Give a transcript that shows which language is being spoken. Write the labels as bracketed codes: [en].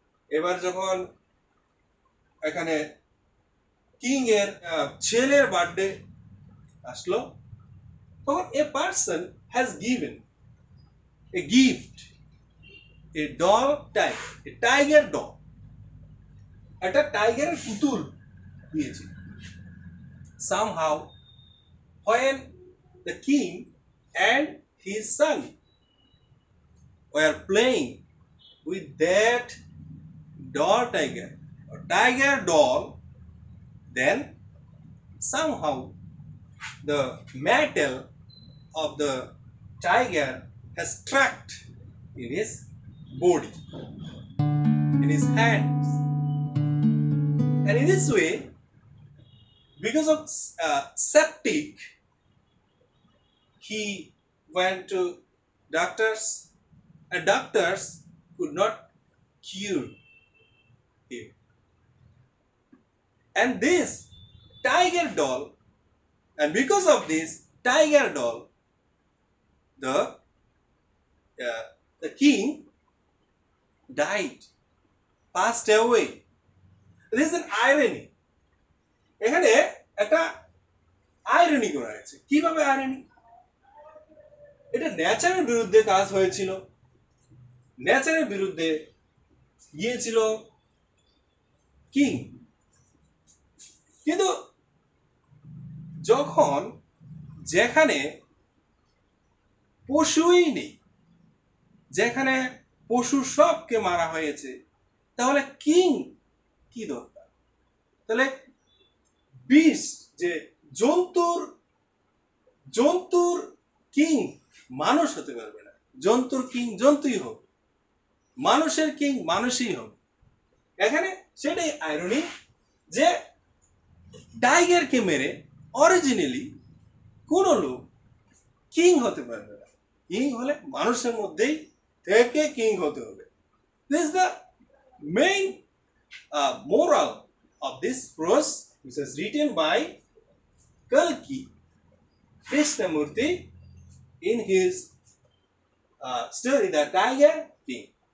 [bn] এবার যখন এখানে কিং এর ছেলের বার্থডে আসলো, তখন [en] a person has given a gift, a dog টাইগ, a tiger dog, [bn] একটা টাইগারের পুতুল দিয়েছিল। [en] Somehow when the king and his son were playing with that doll tiger, or tiger doll, then somehow the metal of the tiger has trapped in his body, in his hands. And in this way, because of septic, he went to doctors, and doctors could not cure him. And this tiger doll, and because of this tiger doll, the king died, passed away. This is an irony. [bn] এখানে একটা irony করা হয়েছে, কিভাবে irony? এটা নেচারের বিরুদ্ধে কাজ হয়েছিল, নেচারের বিরুদ্ধে গিয়েছিল কিং। কিন্তু যখন যেখানে পশুই নেই, যেখানে পশু সবকে মারা হয়েছে, তাহলে কিং কি দরকার? তাহলে বিষ, যে জন্তুর জন্তুর কিং মানুষ হতে পারবে না। জন্তুর কিং জন্তুই হোক, মানুষের কিং মানুষই হোক, এখানে সেটাই আইরনি যে টাইগারকে মেরে অরিজিনালি কোন লোক কিং হতে পারবে না। কিং হলে মানুষের মধ্যেই থেকে কিং হতে হবে। This is the main moral of this প্রোস [en] which is written by Kalki, Krishnamurthy, in his story, The Tiger King.